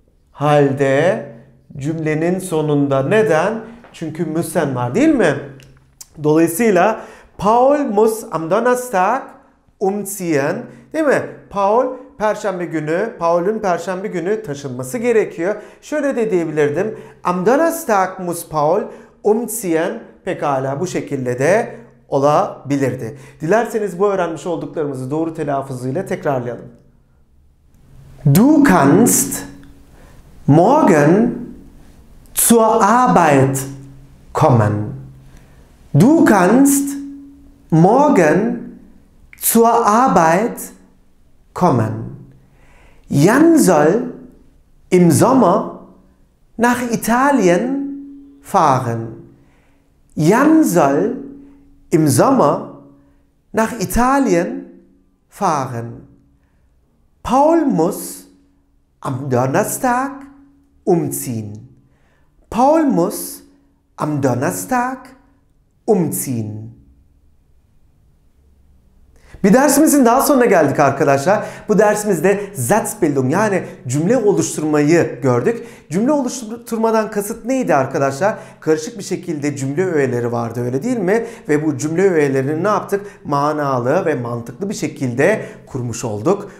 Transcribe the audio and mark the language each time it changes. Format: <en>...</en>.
<tr>Halde cümlenin sonunda neden? Çünkü müssen var, değil mi? Dolayısıyla</tr> <de>Paul muss am Donnerstag umziehen,</de> <tr>değil mi? Paul'un Perşembe günü taşınması gerekiyor. Şöyle de diyebilirdim.</tr> <de>Am Donnerstag muss Paul umziehen.</de> <tr>Pekala, bu şekilde de olabilirdi. Dilerseniz bu öğrenmiş olduklarımızı doğru telaffuzuyla tekrarlayalım.</tr> <de>Du kannst morgen zur Arbeit kommen. Du kannst morgen zur Arbeit kommen. Jan soll im Sommer nach Italien fahren. Jan soll im Sommer nach Italien fahren. Paul muss am Donnerstag umziehen. Paul muss am Donnerstag umziehen.</de> <tr>Bir dersimizin daha sonuna geldik arkadaşlar. Bu dersimizde Satzbildung, yani cümle oluşturmayı gördük. Cümle oluşturmadan kasıt neydi arkadaşlar? Karışık bir şekilde cümle öğeleri vardı, öyle değil mi? Ve bu cümle öğelerini ne yaptık? Manalı ve mantıklı bir şekilde kurmuş olduk.</tr>